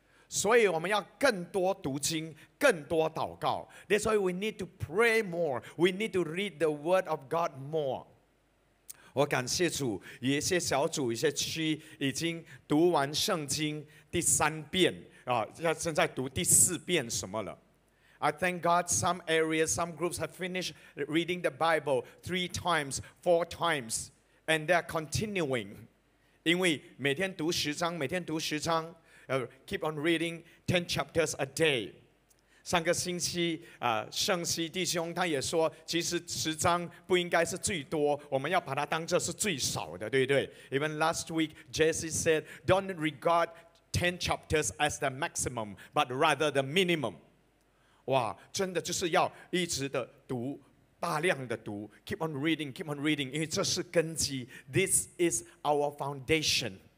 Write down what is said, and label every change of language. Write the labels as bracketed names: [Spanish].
[Chinese] 所以我们要更多读经, 更多祷告. [English] That's why we need to pray more. We need to read the word of God more. [Chinese] 我感谢主, 有一些小组, 一些区, 已经读完圣经第三遍, 现在读第四遍什么了。 [English] I thank God some areas, some groups have finished reading the Bible 3 times, 4 times, and they're continuing. [Chinese] 因为每天读十章, 每天读十章, [English] keep on reading 10 chapters a day. [Chinese] 上个星期, 圣西弟兄他也说, 其实十章不应该是最多, 我们要把它当作是最少的, 对不对? [English] Even last week, Jesse said, don't regard 10 chapters as the maximum, but rather the minimum. [Chinese] 哇, 真的就是要一直的读, 大量的读, [English] keep on reading, keep on reading, [Chinese] 因为这是根基, [English] this is our foundation.